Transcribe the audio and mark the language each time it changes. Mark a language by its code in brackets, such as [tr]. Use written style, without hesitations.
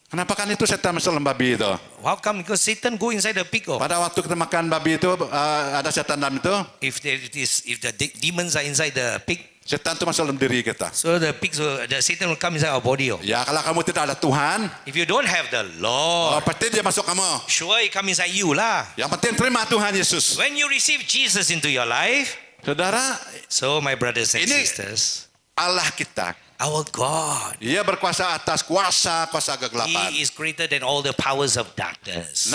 [id] Kenapa kan itu setan masuk dalam babi itu? [en] How come? Because Satan go inside the pig. [id] Pada waktu kita makan babi itu ada setan dalam itu. [en] If the demons are inside the pig. [id] Setan itu masuk dalam diri kita. [en] So the pigs, the Satan will come inside our body. [id] Ya, kalau kamu tidak ada Tuhan. [en] If you don't have the Lord. [id] Pasti dia masuk kamu. [en] Sure, he come inside you lah. [id] Yang penting terima Tuhan Yesus. [en] When you receive Jesus into your life. [id] Saudara. [en] So my brothers and sisters. [id] Allah kita. [en] Our God. [id] Dia berkuasa atas kuasa-kuasa kegelapan. [en] He is greater than all the powers of darkness.